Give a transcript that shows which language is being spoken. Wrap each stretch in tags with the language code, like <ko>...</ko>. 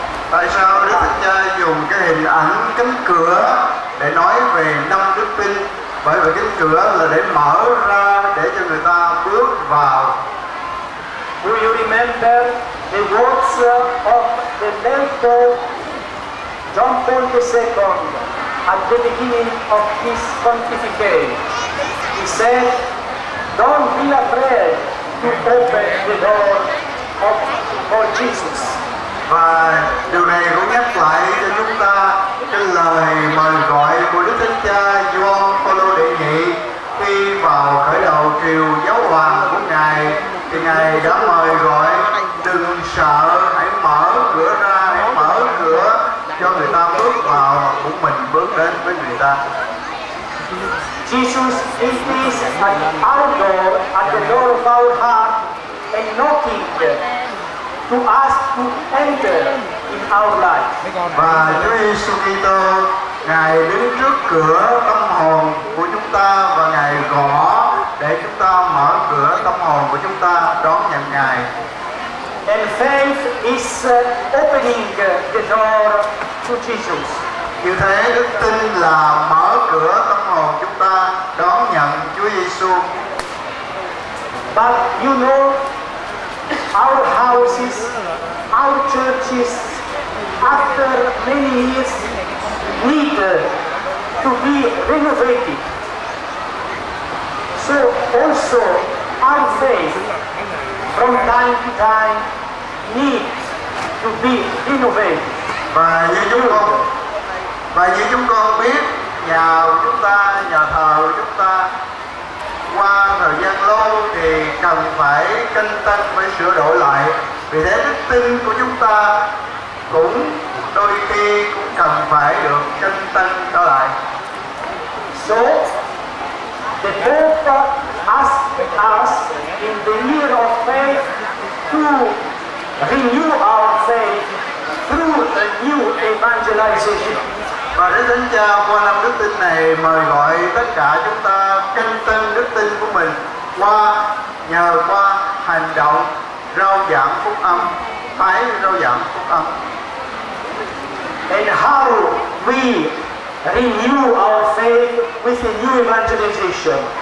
<vi>Tại sao Đức Thánh Cha dùng cái hình ảnh cánh cửa để nói về năm đức tin? Bởi vì cánh cửa là để mở ra để cho người ta bước vào.</vi> <en>Do you remember the words of the late John Paul II at the beginning of his pontificate? He said, don't be afraid to open the door of for Jesus.</en> <vi>Và điều này cũng nhắc lại cho chúng ta cái lời mời gọi của Đức Thánh Cha John Paul đệ nhị khi vào khởi đầu triều giáo hoàng của Ngài, thì Ngài đã mời gọi đừng sợ, hãy mở cửa ra, hãy mở cửa cho người ta bước vào, của mình bước đến với người ta.</vi> <en>Jesus is at our door, at the door of our heart and knocking to ask to enter in our life.</en> <vi>Và Chúa Giêsu Kitô, Ngài đứng trước cửa tâm hồn của chúng ta và Ngài gõ để chúng ta mở cửa tâm hồn của chúng ta đón nhận Ngài.</vi> <en>And faith is opening the door to Jesus.</en> <vi>Như thế đức tin là mở cửa tâm hồn chúng ta đón nhận Chúa Giêsu.</vi> <en>But you know, our houses, our churches, after many years, need to be renovated. So also our faith, from time to time, needs to be renovated.</en> <vi>Và như chúng con biết, nhà chúng ta, nhà thờ chúng ta qua thời gian lâu thì cần phải canh tân, phải sửa đổi lại. Vì thế đức tin của chúng ta cũng đôi khi cũng cần phải được canh tân trở lại.</vi> <en>So, the Pope asked us in the year of faith to renew our faith through a new evangelization.</en> <vi>Và Đức Thánh Cha qua năm đức tin này mời gọi tất cả chúng ta canh tân đức tin của mình qua nhờ qua hành động rao giảng phúc âm, phái rao giảng phúc âm.</vi> <en>And how we renew our faith with a new evangelization?</en>